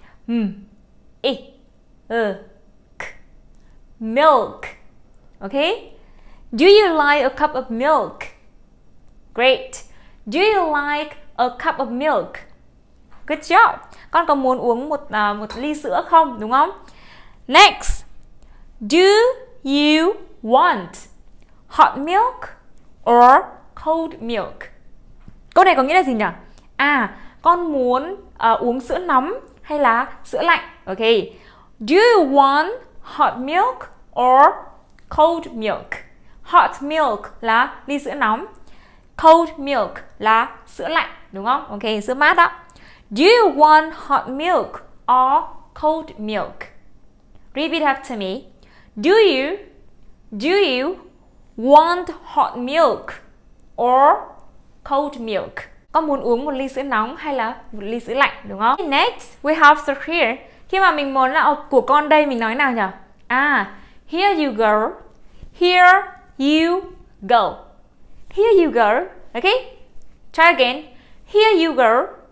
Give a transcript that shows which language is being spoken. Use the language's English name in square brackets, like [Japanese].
[English] M-I-L-K. Milk. Ok. Do you like a cup of milk? Great. Do you like a cup of milk? Good job. [Vietnamese] Con có muốn uống một ly sữa không? Đúng không? [English] Next. Do you want hot milk or cold milk? [Vietnamese] Câu này có nghĩa là gì nhỉ? Con muốn uống sữa nóng hay là sữa lạnh? [English] Ok. Do you want hot milk or cold milk? Hot milk [Vietnamese] là ly sữa nóng. [English] Cold milk [Vietnamese] là sữa lạnh, đúng không? Ok, sữa mát đó. [English] Do you want hot milk or cold milk? Repeat after me. Do you want hot milk or cold milk? [Vietnamese] Con muốn uống một ly sữa nóng hay là một ly sữa lạnh, đúng không? [English] Next, we have to hear. [Vietnamese] Khi mà mình muốn là của con đây, mình nói nào nhỉ? [English] Here you go. Here you go. Here you go. Okay? Try again. Here you go.